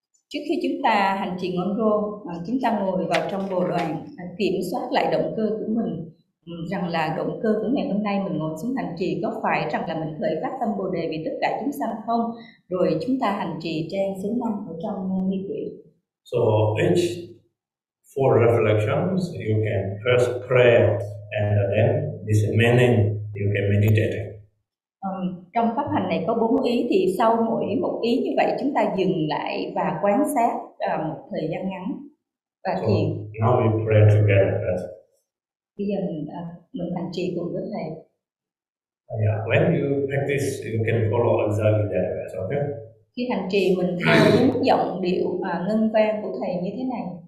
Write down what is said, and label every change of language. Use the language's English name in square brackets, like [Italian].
[Vietnamese] Trước khi chúng ta hành trình ngon rô, chúng ta ngồi vào trong bồ đoàn, kiểm soát lại động cơ của mình, rằng là động cơ của ngày hôm nay mình ngồi xuống hành trì có phải rằng là mình khởi phát tâm bồ đề vì tất cả chúng sanh không, rồi chúng ta hành trì trang số 5 ở trong nghi quỹ. [English] So each four reflections you can first pray and then this meaning you can meditate. [Vietnamese] Trong pháp hành này có bốn ý, thì sau mỗi một ý như vậy chúng ta dừng lại và quan sát một thời gian ngắn và [English] so [Vietnamese] thiền. [English] Now we pray together first. [Vietnamese] Bây giờ mình hành trì cùng với thầy. [English] Yeah, when you practice, you can follow exactly that, okay? [Vietnamese] Khi hành trì mình theo đúng giọng điệu ngân vang của thầy như thế này.